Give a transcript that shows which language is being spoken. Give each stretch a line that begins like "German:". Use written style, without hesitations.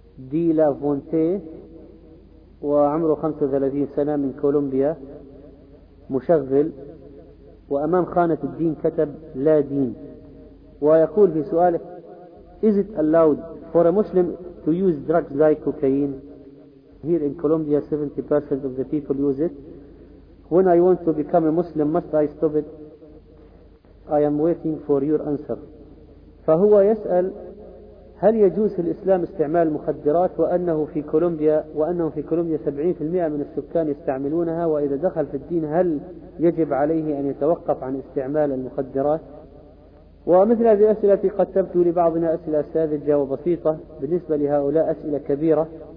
Arabic: دي لا فونتي وعمره 35 سنة من كولومبيا مشغل، وأمام خانة الدين كتب لا دين، ويقول في سؤاله
English: Is it allowed for a Muslim to use drugs like cocaine? Here in Colombia 70% of the people use it. When I want to become a Muslim must I stop it? I am waiting for your answer.
Arabic: فهو يسأل هل يجوز في الإسلام استعمال المخدرات، وأنه في كولومبيا 70% من السكان يستعملونها، وإذا دخل في الدين هل يجب عليه أن يتوقف عن استعمال المخدرات؟ ومثل هذه الأسئلة قدمت لبعضنا أسئلة ساذجة وبسيطة، بالنسبة لهؤلاء أسئلة كبيرة.